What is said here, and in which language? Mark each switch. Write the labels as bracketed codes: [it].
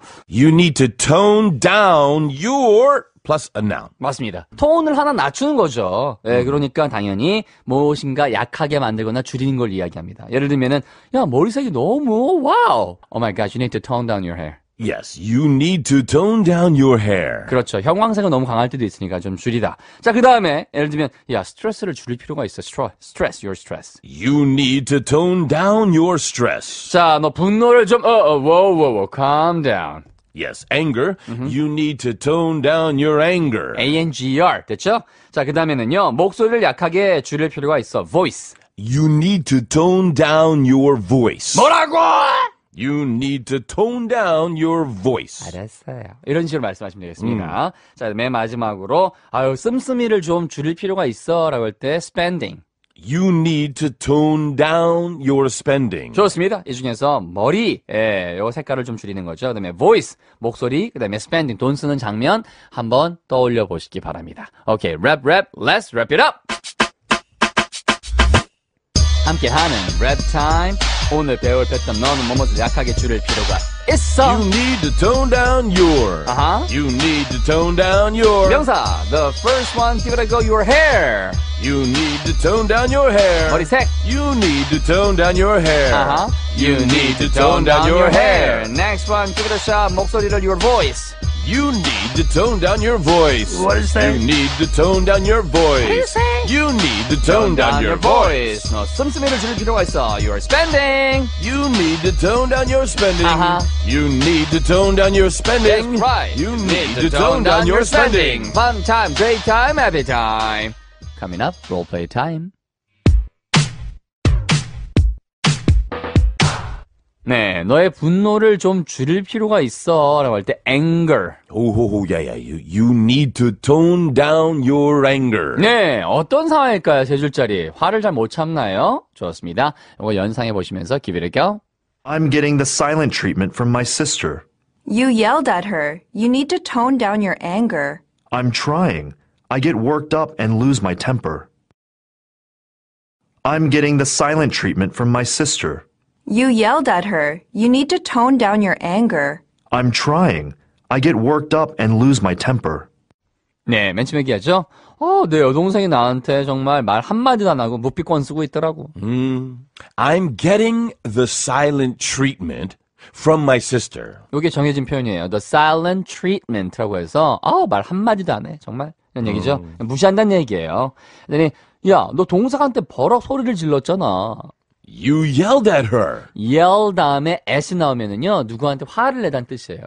[en] You need to tone down your plus a noun. [ko] 맞습니다. 톤을 하나 낮추는 거죠. 예, 그러니까 당연히 무엇인가 약하게 만들거나 줄이는 걸 이야기합니다. 예를 들면은 야, 머리색이 너무 와우. [en] Oh my gosh, you need to tone down your hair. Yes, you need to tone down your hair. [ko] 그렇죠. 형광색은 너무 강할 때도 있으니까 좀 줄이다. 자, 그 다음에 예를 들면 야, 스트레스를 줄일 필요가 있어. [en] Stress, your stress. You need to tone down your stress. [ko] 자, 너 분노를 좀 [en] whoa, calm down. Yes, anger. You need to tone down your anger. [ko] A-N-G-E-R, 됐죠? 자, 그 다음에는요. 목소리를 약하게 줄일 필요가 있어. [en] Voice. You need to tone down your voice. [ko] 뭐라고? [en] You need to tone down your voice. [ko] 알았어요. 이런 식으로 말씀하시면 되겠습니다. 자, 맨 마지막으로 아유, 씀씀이를 좀 줄일 필요가 있어 라고 할 때 spending. [en] You need to tone down your spending. [ko] 좋습니다. 이 중에서 머리, 예, 요 색깔을 좀 줄이는 거죠. 그 다음에 voice, 목소리, 그 다음에 spending, 돈 쓰는 장면 한번 떠올려 보시기 바랍니다. [en] Okay, rap, let's wrap it up! [ko] 함께 하는 rap time. 오늘 배울 패턴 너는 무엇을 약하게 줄일 필요가 있어. [en] You need to tone down your. You need to tone down your. [ko] 명사. [en] The first one, give it a go, your hair. You need to tone down your hair. [ko] 머리색. [en] You need to tone down your hair. You need to tone down your hair. Next one, give it a shot, 목소리를 your voice. You need to tone down your voice. What is that? You need to tone down your voice. What do you say? You need to tone down your voice. [ko] 너 씀씀이를 줄일 필요가 있어. [en] Your spending. You need to tone down your spending. You need to tone down your spending. That's right. You need to tone down your spending. Fun time, great time, happy time. Coming up, role play time. [ko] 네, 너의 분노를 좀 줄일 필요가 있어 라고 할 때 anger. [en] 오호호, 야야, you need to tone down your anger. [ko] 네, 어떤 상황일까요, 세 줄짜리? 화를 잘 못 참나요? 좋습니다. 이거 연상해 보시면서 [en] give it a go. I'm getting the silent treatment from my sister. You yelled at her. You need to tone down your anger. I'm trying. I get worked up and lose my temper. I'm getting the silent treatment from my sister. You yelled at her. You need to tone down your anger. I'm trying. I get worked up and lose my temper. [ko] 네, 맨 처음 얘기하죠? 어, 내 여동생이 나한테 정말 말 한마디도 안 하고 무피권 쓰고 있더라고. [en] I'm getting the silent treatment from my sister. [ko] 이게 정해진 표현이에요. [en] The silent treatment [ko] 라고 해서 어, 말 한마디도 안 해. 정말. 이런 얘기죠. 무시한다는 얘기예요. 그러니 야, 너 동생한테 버럭 소리를 질렀잖아. [en] You yelled at her. [ko] Yell 다음에 s 나오면은요 누구한테 화를 내다는 뜻이에요.